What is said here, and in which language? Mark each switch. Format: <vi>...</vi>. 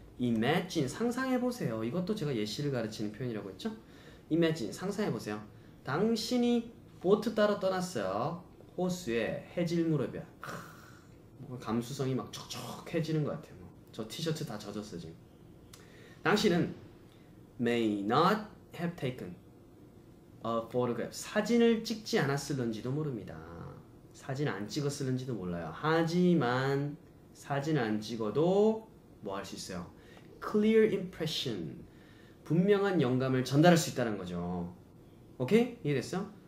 <ko>Imagine 상상해 보세요. 이것도 제가 예시를 가르치는 표현이라고 했죠? Imagine 상상해 보세요. 당신이 보트 따라 떠났어요. 호수에 해질 무렵이야. 뭐 감수성이 막 촉촉해지는 것 같아요. 뭐. 저 티셔츠 다 젖었어 지금. 당신은</ko> <en>may not have taken a photograph.</en> <ko>사진을 찍지 않았을런지도 모릅니다. 사진 안 찍었을런지도 몰라요. 하지만 사진 안 찍어도 뭐할수 있어요?</ko> <en>Clear impression.</en> <ko>분명한 영감을 전달할 수 있다는 거죠. 오케이? 이해됐어?</ko>